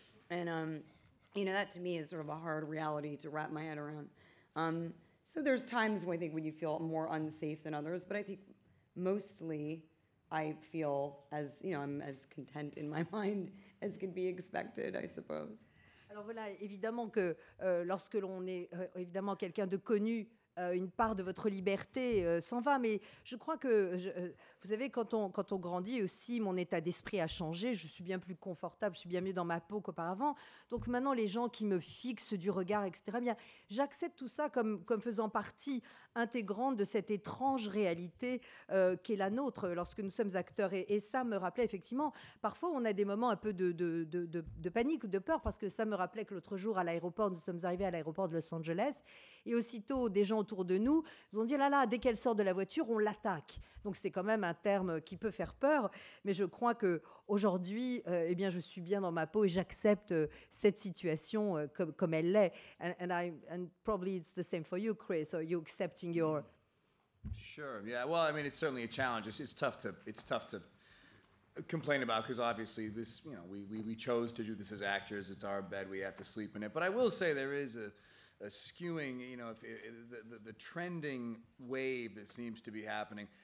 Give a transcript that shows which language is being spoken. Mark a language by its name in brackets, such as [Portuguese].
[English] And, you know, that to me is sort of a hard reality to wrap my head around. So there's times when I think when you feel more unsafe than others, but I think mostly, I feel as, you know, I'm as content in my mind as can be expected, I suppose. [French] Alors voilà, évidemment que lorsque l'on est évidemment quelqu'un de connu, une part de votre liberté s'en va. Mais je crois que, vous savez, quand on grandit aussi, mon état d'esprit a changé. Je suis bien plus confortable, je suis bien mieux dans ma peau qu'auparavant. Donc maintenant, les gens qui me fixent du regard, etc., bien, j'accepte tout ça comme faisant partie intégrante de cette étrange réalité qu'est la nôtre lorsque nous sommes acteurs. Et ça me rappelait effectivement, parfois on a des moments un peu de panique ou de peur, parce que ça me rappelait que l'autre jour à l'aéroport, nous sommes arrivés à l'aéroport de Los Angeles, et aussitôt des gens autour de nous ont dit, là là, dès qu'elle sort de la voiture, on l'attaque. Donc c'est quand même un terme qui peut faire peur, mais je crois qu'aujourd'hui, eh bien, je suis bien dans ma peau et j'accepte cette situation comme elle l'est. [English] And probably it's the same for you, Chris, or you accept your... Sure. Yeah. Well, I mean, it's certainly a challenge. It's tough to complain about, because obviously this, you know, we chose to do this as actors. It's our bed. We have to sleep in it. But I will say there is a skewing. You know, the trending wave that seems to be happening.